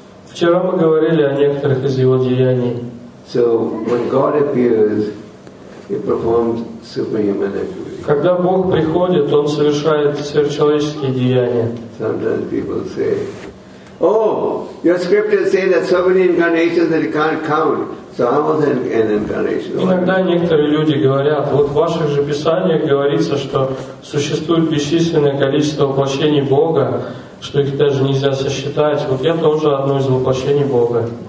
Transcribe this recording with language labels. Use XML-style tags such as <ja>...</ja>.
<ru>Вчера мы говорили о некоторых из его деяний.</ru> <en>So when God appears, he performs superhuman activities.</en> <ru>Когда Бог приходит, он совершает сверхчеловеческие деяния.</ru> <en>Sometimes people say, "Oh, your scriptures say that so many incarnations that you can't count. So how was an incarnation?"</en> <ru>Иногда некоторые люди говорят: вот в ваших же писаниях говорится, что существует бесчисленное количество воплощений Бога, что их даже нельзя сосчитать. Вот я тоже одно из воплощений Бога.</ru>